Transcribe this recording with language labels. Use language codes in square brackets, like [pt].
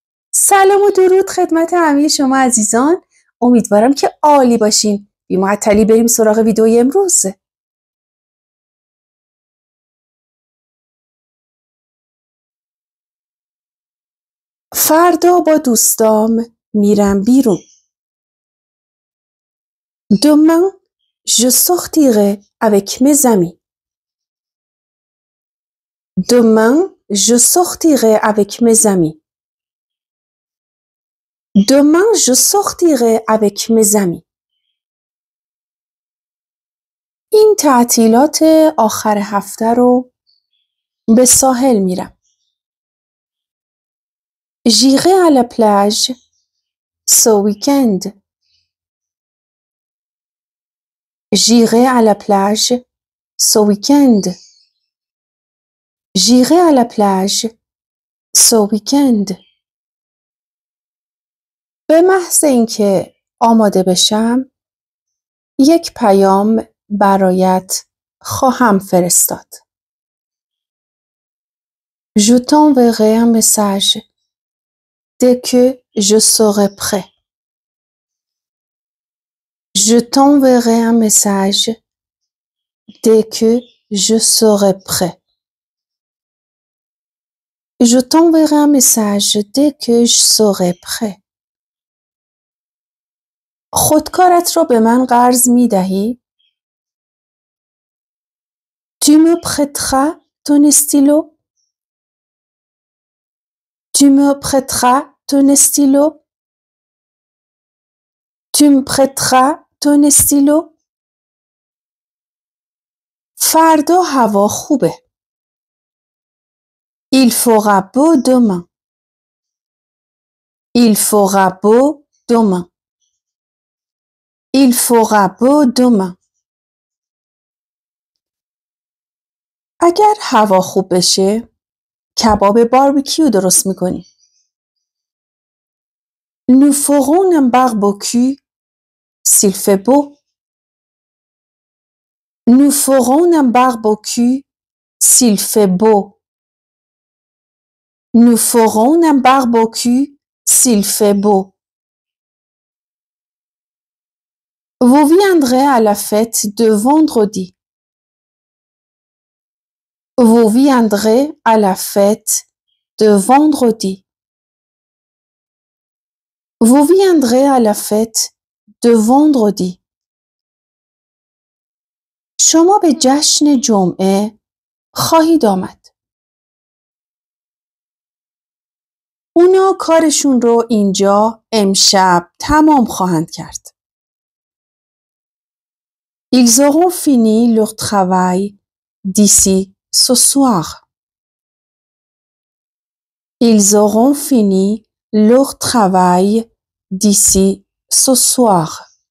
[fa] سلام و درود خدمت همه شما عزیزان. امیدوارم که عالی باشین. بی‌معطلی بریم سراغ ویدیو امروز. فردا با دوستام میرم بیرون. [fr] Demain, je sortirai avec mes amis. Demain, je sortirai avec mes amis. Demain, je sortirai avec mes amis. [fa] این تعطیلات آخر هفته رو به ساحل میرم. [fr] J'irai à la plage ce week-end. J'irai à la plage ce week-end. J'irai à la plage ce week-end. [fa] به محض اینکه آماده بشم یک پیام برایت خواهم فرستاد. [fr] Je t'enverrai un message dès que je serai prêt. Je t'enverrai un message dès que je serai prêt. Je t'enverrai un message dès que je serai prêt. [fa] خودکارت رو به من قرض می‌دهی؟ [fr] Tu me prêteras ton stylo? Tu me prêteras ton stylo? Tu me prêteras ton stylo? [fa] فردا هوا خوبه. [fr] Il fera beau demain. Il fera beau demain. Il fera beau demain. [fa] اگر هوا خوب بشه کباب باربیکیو درست میکنی. [fr] Nous ferons un barbecue s'il fait beau. Nous ferons un barbecue s'il fait beau. Nous ferons un barbecue s'il fait beau. Vous viendrez à la fête de vendredi. Vous viendrez à la fête de vendredi. Vous viendrez à la fête de vendredi. [fa] شما به جشن جمعه خواهید آمد. اونا کارشون رو اینجا امشب تمام خواهند کرد. [fr] Ils auront fini leur travail d'ici ce soir. Ils auront fini leur travail d'ici ce soir.